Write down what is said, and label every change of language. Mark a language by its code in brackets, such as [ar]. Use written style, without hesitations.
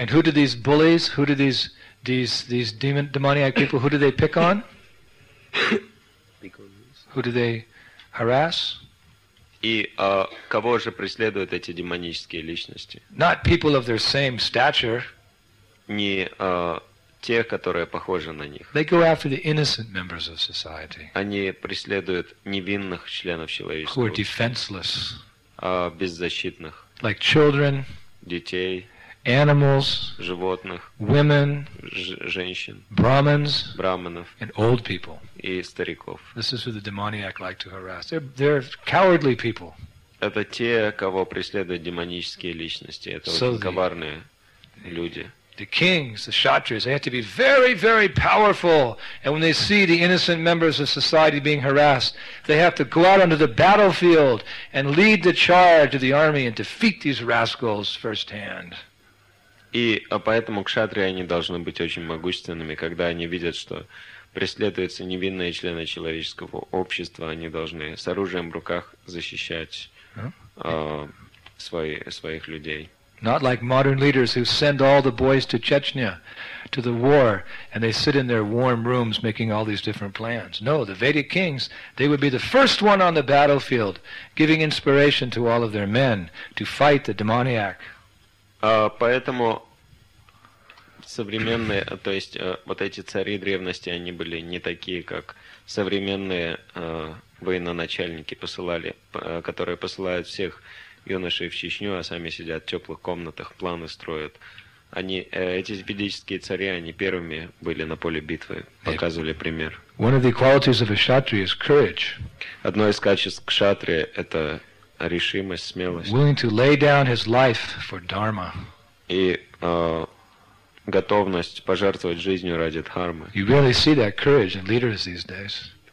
[en] And who do these bullies, who do these demoniac people, who do they pick on? Who do they harass? [ru] И кого же преследуют эти демонические личности? [en] Not people of their same stature. [ru] Не тех, которые похожи на них. [en] They go after the innocent members of society. [ru] Они преследуют невинных членов человечества. [en] Who are defenseless. [ru] Беззащитных. [en] Like children. [ru] Детей. [en] Animals. [ru] Животных. [en] Women. [ru] Женщин. [en] Brahmins. [ru] Браманов. [en] And old people. [ru] И стариков. [en] This is who the demoniac like to harass. They're cowardly people. [ru] Это те, кого преследуют демонические личности. Это очень коварные люди. [en] The kings, the kshatriyas, they have to be very, very powerful. And when they see the innocent members of society being harassed, they have to go out onto the battlefield and lead the charge of the army and defeat these rascals firsthand. [ru] И поэтому кшатрии, они должны быть очень могущественными, когда они видят, что преследуются невинные члены человеческого общества, они должны с оружием в руках защищать своих людей. [en] Not like modern leaders who send all the boys to Chechnya, to the war, and they sit in their warm rooms making all these different plans. No, the Vedic kings, they would be the first one on the battlefield, giving inspiration to all of their men to fight the demoniac. [ru] Поэтому современные, то есть вот эти цари древности, они были не такие, как современные военачальники, которые посылают всех юношей в Чечню, а сами сидят в теплых комнатах, планы строят. Они, эти ведические цари, они первыми были на поле битвы, показывали пример. [en] One of the qualities of a kshatriya is courage. [ru] Одно из качеств кшатрия – это решимость, смелость. [en] Willing to lay down his life for dharma. [ru] И готовность пожертвовать жизнью ради дхармы. [en] You really see that courage in leaders these days.